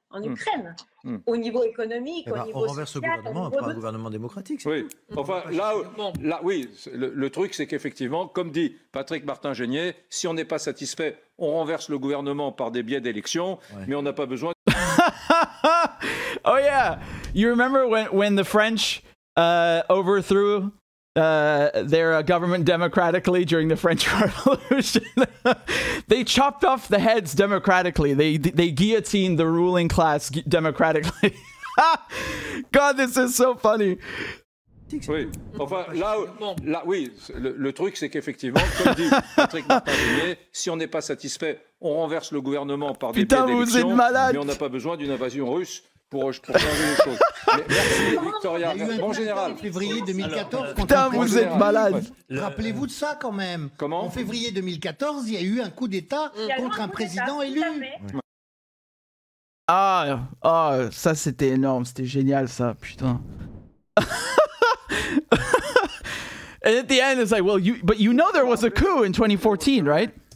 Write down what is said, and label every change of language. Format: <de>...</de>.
<fr>En Ukraine, au niveau économique, au niveau On renverse ce gouvernement après un gouvernement démocratique. Oui, enfin, le truc, c'est qu'effectivement, comme dit Patrick Martin-Génier, si on n'est pas satisfait, on renverse le gouvernement par des biais d'élection, mais on n'a pas besoin...</fr> <en>Oh yeah, you remember when the French overthrew their government democratically during the French Revolution. They chopped off the heads democratically. They guillotined the ruling class democratically. God, this is so funny.</en> <fr>Oui, enfin, le truc, c'est qu'effectivement, comme dit Patrick Martin-Génier, si on n'est pas satisfait, on renverse le gouvernement par des biais d'élection, mais on n'a pas besoin d'une invasion russe. Pour changer les choses. Merci, Victoria. Bon général. Février 2014. Vous êtes malade. Rappelez-vous de ça quand même. Comment? En février 2014, il y a eu un coup d'État contre un président élu. Ah, ça c'était énorme, c'était génial ça, putain.</fr> <en>And at the end, it's like, well, you know there was a coup in 2014, right?</en>